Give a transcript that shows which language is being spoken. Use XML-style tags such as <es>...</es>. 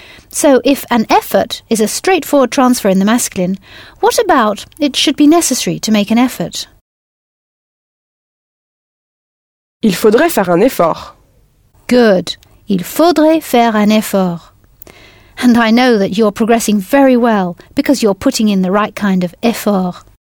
<en>So, if an effort is a straightforward transfer in the masculine, what about it should be necessary to make an effort?</en> <fr>Il faudrait faire un effort.</fr> <en>Good.</en> <fr>Il faudrait faire un effort.</fr> <en>And I know that you're progressing very well because you're putting in the right kind of effort.</en>